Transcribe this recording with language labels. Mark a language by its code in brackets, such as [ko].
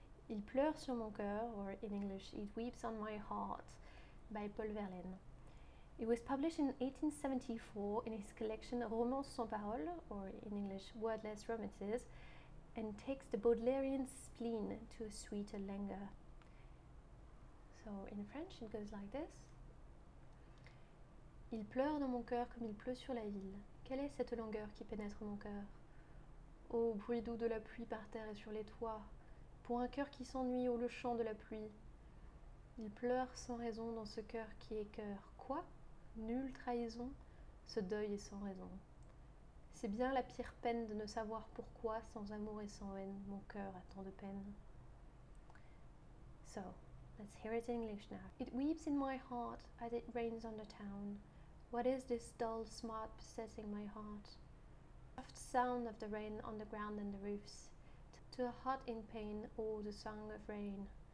[en] Il pleure sur mon cœur, or in English, It Weeps on My Heart, by Paul Verlaine. It was published in 1874 in his collection Romans sans paroles, or in English, Wordless Romances, and takes the Baudelairean spleen to a sweeter languor. So in French, it goes like this. [fr] Il pleure dans mon cœur comme il pleut sur la ville. Quelle est cette langueur qui pénètre mon cœur? Ô bruit doux de la pluie par terre et sur les toits, pour un cœur qui s'ennuie au le chant de la pluie. Il pleure sans raison dans ce cœur qui est cœur. Quoi? Nulle trahison? Ce deuil est sans raison. C'est bien la pire peine de ne savoir pourquoi, sans amour et sans haine, mon cœur a tant de peine. [en] So, let's hear it in English now. It weeps in my heart as it rains on the town. What is this dull smart possessing my heart? Soft sound of the rain on the ground and the roofs, to a heart in pain, all the song of rain.